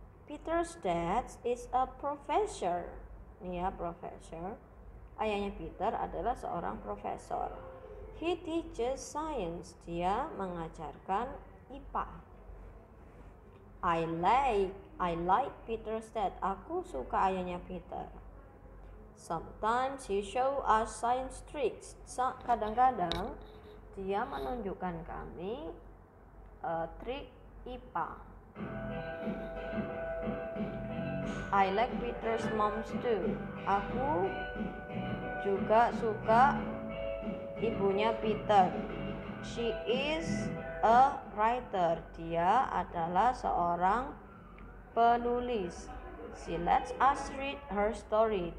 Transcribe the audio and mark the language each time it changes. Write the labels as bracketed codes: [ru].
[en] Peter's dad is a professor. [id] Nih ya, professor. Ayahnya Peter adalah seorang profesor. [en] He teaches science. [id] Dia mengajarkan IPA. [en] I like Peter's dad. [id] Aku suka ayahnya Peter. [en] Sometimes he show us science tricks. [id] Kadang-kadang dia menunjukkan kami trik IPA. [en] I like Peter's mom's too. [id] Aku juga suka ibunya Peter. [en] She is a writer. [id] Dia adalah seorang penulis. [en] She lets us read her story.